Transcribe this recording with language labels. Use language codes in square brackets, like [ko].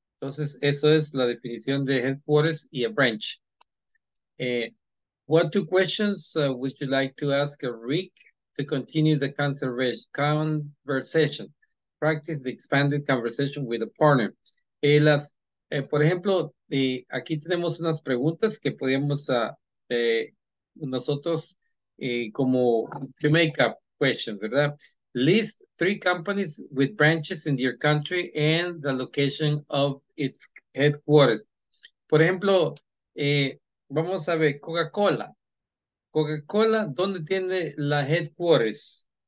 [es] Entonces, eso es la definición de headquarters y a branch. [en] What two questions would you like to ask Rick to continue the conversation? Practice the expanded conversation with a partner. [es] Por ejemplo, aquí tenemos unas preguntas que podemos nosotros como [en] to make up questions, [es] ¿verdad? [en] List three companies with branches in your country and the location of its headquarters. [es] Por ejemplo, vamos a ver Coca-Cola. Coca-Cola, ¿dónde tiene la headquarters?